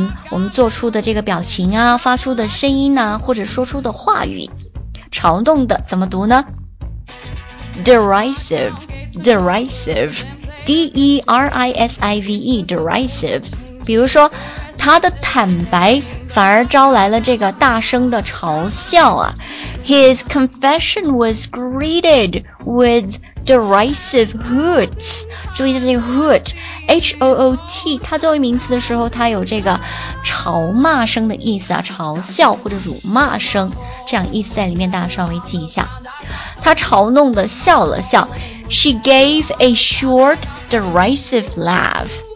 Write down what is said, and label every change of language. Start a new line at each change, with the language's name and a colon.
Chinese: 我们做出的这个表情啊，发出的声音啊，或者说出的话语，嘲弄的怎么读呢？
English: Derisive, D-E-R-I-S-I-V-E, derisive。
Chinese: 比如说他的坦白反而招来了这个大声的嘲笑啊。
English: His confession was greeted with derisive hoots。
Chinese: 注意一下这个
English: hoot，
Chinese: HOOT 它作为名词的时候它有这个嘲骂声的意思啊，嘲笑或者辱骂声这样意思在里面，大家稍微记一下。他嘲弄的笑了笑，
English: She gave a short derisive laugh。